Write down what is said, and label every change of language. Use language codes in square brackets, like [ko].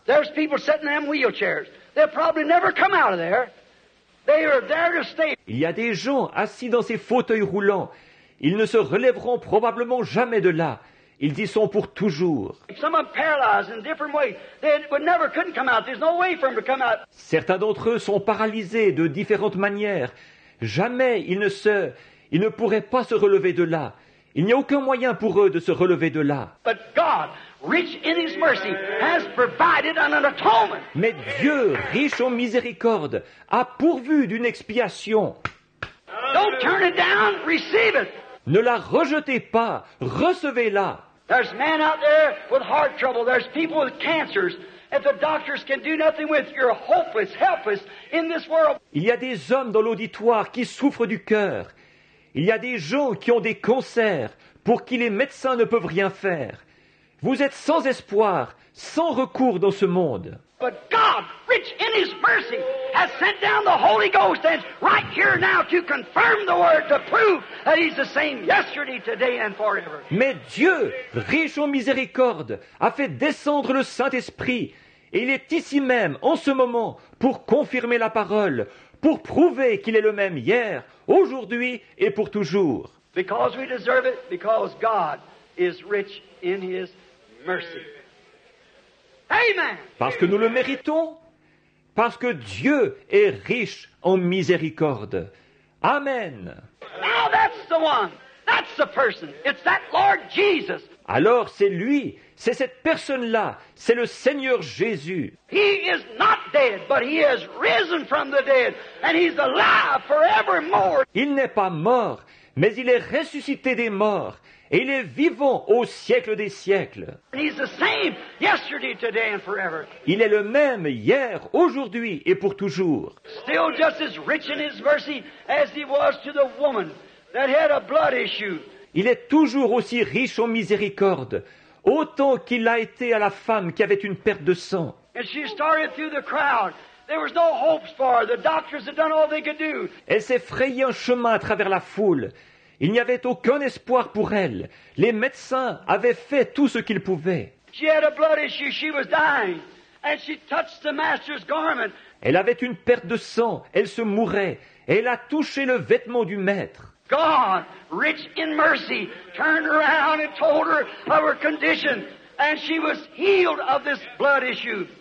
[en] There's people sitting in wheelchairs. They'll probably never come out of there. They are there to stay. [fr] Il y a des gens assis dans ces fauteuils roulants. Ils ne se relèveront probablement jamais de là. Ils y sont pour toujours. [en] Some are paralyzed in different ways. They would never couldn't come out. There's no way for them to come out. [fr] Certains d'entre eux sont paralysés de différentes manières. Jamais ils ne se Ils ne pourraient pas se relever de là. Il n'y a aucun moyen pour eux de se relever de là. [en] But God, rich in his mercy, has provided an atonement. [fr] Mais Dieu, riche en miséricorde, a pourvu d'une expiation. [en] Don't turn it down, receive it. [fr] Ne la rejetez pas, recevez-la. [en] There's men out there with heart trouble. There's people with cancers. If the doctors can do nothing with you, you're hopeless, helpless in this world. [fr] Il y a des hommes dans l'auditoire qui souffrent du cœur. Il y a des gens qui ont des cancers pour qui les médecins ne peuvent rien faire. Vous êtes sans espoir, sans recours dans ce monde. [en] But God, rich in His mercy, has sent down the Holy Ghost and right here now to confirm the Word, to prove that He's the same yesterday, today, and forever. [fr] Mais Dieu, riche en miséricorde, a fait descendre le Saint-Esprit, et il est ici même, en ce moment, pour confirmer la parole, pour prouver qu'il est le même hier, aujourd'hui et pour toujours. [en] Because we deserve it, because God is rich in His mercy. Amen. [fr] Parce que nous le méritons, parce que Dieu est riche en miséricorde. Amen. [en] Now that's the one. That's the person. It's that Lord Jesus. [fr] Alors c'est lui, c'est cette personne-là, c'est le Seigneur Jésus. [en] He is not dead, but he has risen from the dead, and he's alive forevermore. [fr] Il n'est pas mort, mais il est ressuscité des morts. Et il est vivant au siècle des siècles. [en] He's the same yesterday, today, and forever. [fr] Il est le même hier, aujourd'hui et pour toujours. [en] Still just as rich in his mercy as he was to the woman that had a blood issue. [fr] Il est toujours aussi riche en miséricorde, autant qu'il l'a été à la femme qui avait une perte de sang. [en] And she started through the crowd. There was no hopes for her. The doctors had done all they could do. [fr] Elle s'est frayée un chemin à travers la foule. Il n'y avait aucun espoir pour elle. Les médecins avaient fait tout ce qu'ils pouvaient. [en] She had a blood issue. She was dying. And she touched the master's garment. [fr] Elle avait une perte de sang. Elle se mourait. Et elle a touché le vêtement du maître. [en] God, rich in mercy, turned around and told her of her condition. And she was healed of this blood issue.